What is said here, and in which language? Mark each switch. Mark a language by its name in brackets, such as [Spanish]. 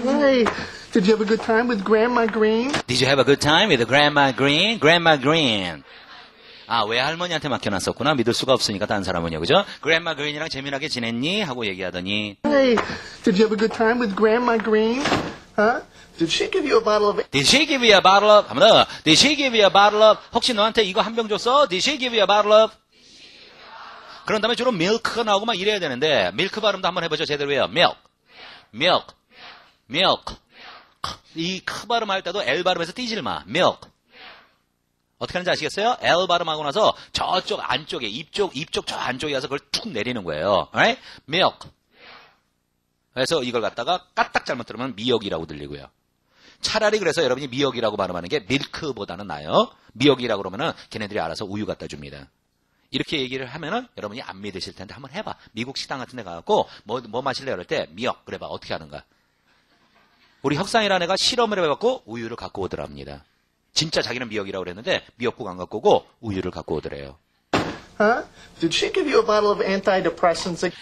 [English] Hey, did you have a good time with Grandma Green? Did you have a good time with Grandma Green? Grandma Green. [Korean] 아, 외할머니한테 맡겨놨었구나. 믿을 수가 없으니까 다른 사람은요, 그죠? Grandma Green이랑 재미나게 지냈니? 하고 얘기하더니. [English] Hey, did you have a good time with Grandma Green? Huh? Did she give you a bottle of? Did she give you a bottle of? [Korean] 한번 더. [English] Did she give you a bottle of? [Korean] 혹시 너한테 이거 한 병 줬어? [English] Did she give you a bottle of? [Korean] 그런 다음에 주로 milk가 나오고 막 이래야 되는데, milk 발음도 한번 해보죠. 제대로 해요. [English] Milk. Milk. Milk. Milk. [Korean] 이 k 발음 할 때도 L 발음에서 띄질 마. [English] Milk. [Korean] 어떻게 하는지 아시겠어요? L 발음하고 나서 저쪽 안쪽에 입쪽 저 안쪽에 가서 그걸 툭 내리는 거예요. [English] Right? Milk. [Korean] 그래서 이걸 갖다가 까딱 잘못 들으면 미역이라고 들리고요. 차라리 그래서 여러분이 미역이라고 발음하는 게 밀크보다는 나아요. 미역이라고 그러면은 걔네들이 알아서 우유 갖다 줍니다. 이렇게 얘기를 하면은 여러분이 안 믿으실 텐데 한번 해봐. 미국 식당 같은 데 가갖고 뭐 마실래? 이럴 때 미역. 그래봐. 어떻게 하는가. 우리 혁상이라는 애가 실험을 해갖고 우유를 갖고 오더랍니다. 진짜 자기는 미역이라고 그랬는데 미역국 안 갖고 오고 우유를 갖고 오더래요. [English] Huh? Did she give you a bottle of antidepressants?